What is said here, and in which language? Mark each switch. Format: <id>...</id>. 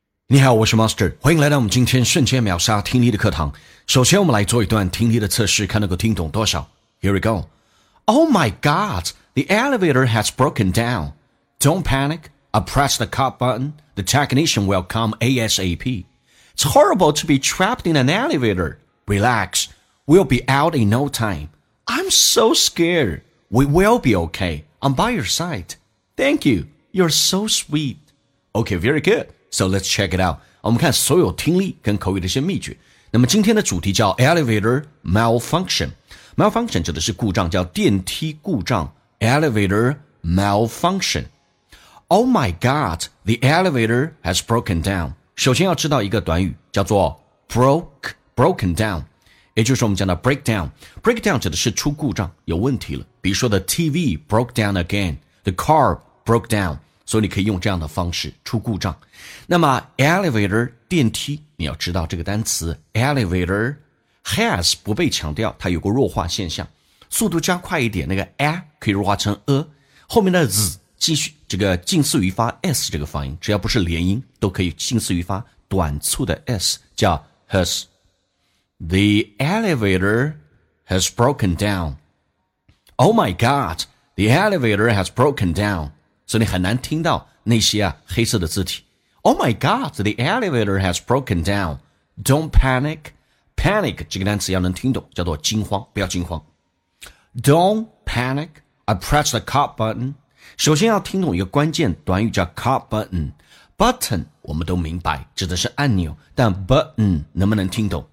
<zh>你好，我是 Master， 欢迎来到我们今天瞬间秒杀听力的课堂。首先我们来做一段听力的测试，看能够听懂多少。</zh> <en>Here we go. Oh my God, the elevator has broken down. Don't panic, I press the cop button, the technician will come ASAP. It's horrible to be trapped in an elevator. Relax, we'll be out in no time. I'm so scared. We will be okay, I'm by your side. Thank you, you're so sweet. Okay, very good. So let's check it out.</en> <zh>我们看所有听力跟口语的一些秘诀。那么今天的主题叫 Elevator Malfunction。 Malfunction 指的是故障，叫电梯故障。</zh> <en>Elevator Malfunction。 Oh my God, the elevator has broken down.</en> <zh>首先要知道一个短语叫做 broken down。也就是我们讲的 breakdown。 Breakdown 指的是出故障，有问题了。比如说</zh> <en>the TV broke down again, the car broke down.</en> <zh>所以你可以用这样的方式出故障。那么 elevator 电梯，你要知道这个单词 elevator has 不被强调，它有个弱化现象，速度加快一点，那个 a 可以弱化成 a， 后面的 z 继续这个近似于发 s 这个发音，只要不是连音都可以近似于发短促的 s， 叫 has。</zh> <en>The elevator has broken down. Oh my God, the elevator has broken down.</en> <zh>所以你很难听到那些啊黑色的字体。</zh> <en>Oh my God, the elevator has broken down. Don't panic.</en> <zh>Panic 这个单词要能听懂，叫做惊慌，不要惊慌。</zh> <en>Don't panic. I press the cop button.</en> <zh>首先要听懂一个关键短语叫 cop button. Button 我们都明白，指的是按钮，但 button 能不能听懂？</zh>